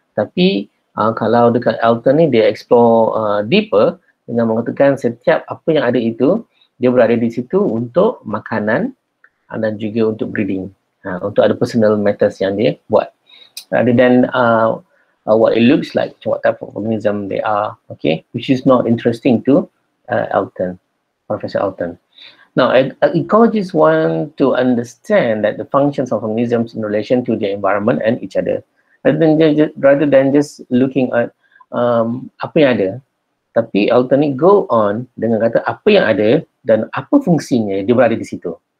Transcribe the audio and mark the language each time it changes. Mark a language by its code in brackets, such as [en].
[ms] Tapi kalau dekat Elton ni, dia [en] explore deeper [ms] dengan mengatakan setiap apa yang ada itu, dia berada di situ untuk makanan dan juga untuk breeding. Untuk ada [en] personal matters [ms] yang dia buat. [en] Rather than what it looks like, what type of organism they are, okay? Which is not interesting to Elton, Professor Elton. Now, ecologists want to understand that the functions of organisms in relation to their environment and each other. Rather than just looking at [ms] apa yang ada, tapi Elton [en] go on [ms] dengan kata apa yang ada dan apa fungsinya dia berada di situ.